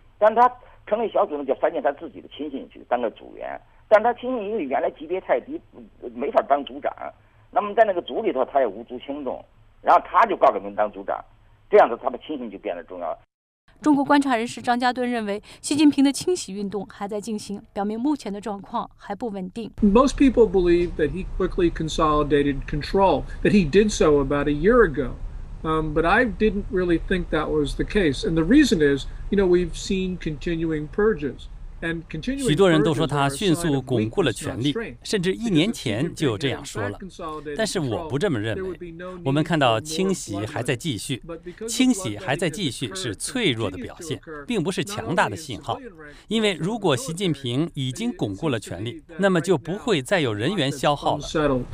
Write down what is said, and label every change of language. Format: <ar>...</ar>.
<zh>但他成立小组呢，就塞进他自己的亲信去当个组员，但他亲信因为原来级别太低，没法当组长。那么在那个组里头，他也无足轻重，然后他就挂个名当组长，这样子他的亲信就变得重要了。中国观察人士张家敦认为，习近平的清洗运动还在进行，表明目前的状况还不稳定。</zh> <en>Most people believe that he quickly consolidated control, that he did so about a year ago, but I didn't really think that was the case. And the reason is, you know, we've seen continuing purges.</en> <zh>许多人都说他迅速巩固了权力，甚至一年前就有这样说了，但是我不这么认为。我们看到清洗还在继续，清洗还在继续是脆弱的表现，并不是强大的信号。因为如果习近平已经巩固了权力，那么就不会再有人员消耗了。</zh>